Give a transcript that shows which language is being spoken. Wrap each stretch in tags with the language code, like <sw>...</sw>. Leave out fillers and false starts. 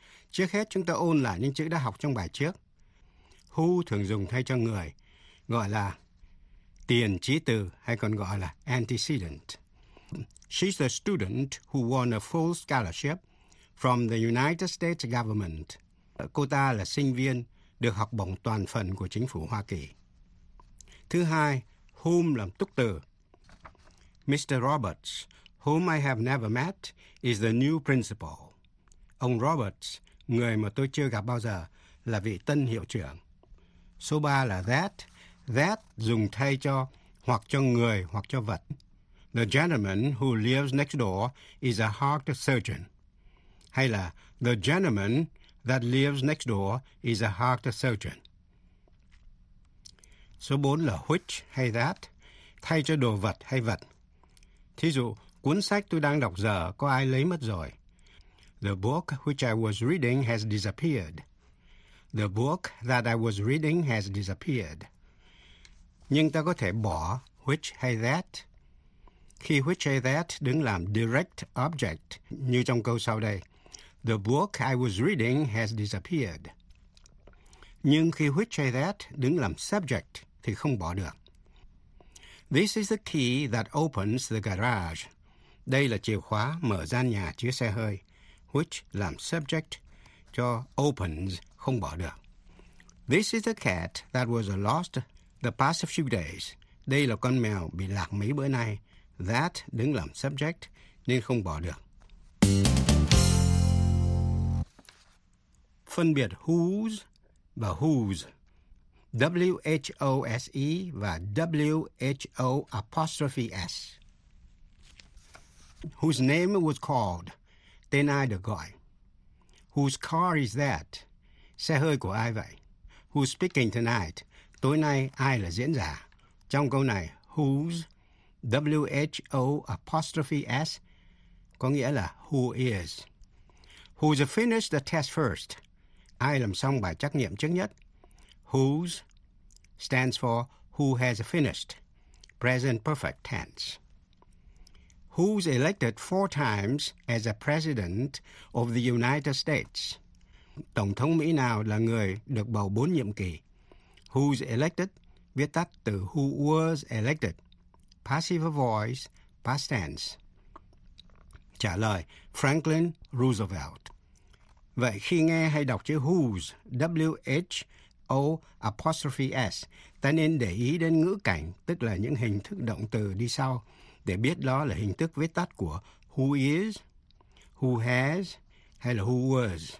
<vi>Trước hết, chúng ta ôn lại những chữ đã học trong bài trước. Who thường dùng thay cho người, gọi là tiền chí từ, hay còn gọi là antecedent.</vi> <en>She's the student who won a full scholarship from the United States government.</en> <vi>Cô ta là sinh viên được học bổng toàn phần của chính phủ Hoa Kỳ. Thứ hai, whom làm túc từ. Mr.</vi> <en>Roberts, whom I have never met, is the new principal.</en> <vi>Ông Roberts, người mà tôi chưa gặp bao giờ, là vị tân hiệu trưởng. Số 3 là that. That dùng thay cho hoặc cho người hoặc cho vật.</vi> <en>The gentleman who lives next door is a heart surgeon.</en> <vi>Hay là</vi> <en>the gentleman that lives next door is a heart surgeon.</en> <vi>Số 4 là which hay that, thay cho đồ vật hay vật. Thí dụ, cuốn sách tôi đang đọc giờ có ai lấy mất rồi.</vi> <en>The book which I was reading has disappeared. The book that I was reading has disappeared.</en> <vi>Nhưng ta có thể bỏ which hay that. Khi which hay that đứng làm direct object, như trong câu sau đây.</vi> <en>The book I was reading has disappeared.</en> <vi>Nhưng khi which hay that đứng làm subject thì không bỏ được.</vi> <en>This is the key that opens the garage.</en> <vi>Đây là chìa khóa mở gian nhà chứa xe hơi. Which làm subject cho opens, không bỏ được.</vi> <en>This is the cat that was lost the past few days.</en> <vi>Đây là con mèo bị lạc mấy bữa nay. That đứng làm subject nên không bỏ được. Phân biệt whose và whose, W-H-O-S-E và W-H-O apostrophe S.</vi> <en>Whose name was called,</en> <vi>tên ai được gọi.</vi> <en>Whose car is that,</en> <vi>xe hơi của ai vậy.</vi> <en>Who's speaking tonight,</en> <vi>tối nay ai là diễn giả. Trong câu này, whose, W-H-O apostrophe S, có nghĩa là who is.</vi> <en>Who's finished the test first,</en> <vi>ai làm xong bài trắc nghiệm trước nhất.</vi> <en>Whose stands for who has finished, present perfect tense. Who's elected four times as a president of the United States?</en> <vi>Tổng thống Mỹ nào là người được bầu 4 nhiệm kỳ?</vi> <en>Who's elected,</en> <vi>viết tắt từ</vi> <en>who was elected, passive voice, past tense.</en> <vi>Trả lời, Franklin Roosevelt. Vậy khi nghe hay đọc chữ whose, W-H-O apostrophe S, ta nên để ý đến ngữ cảnh, tức là những hình thức động từ đi sau, để biết đó là hình thức viết tắt của who is, who has, hay là who was.</vi>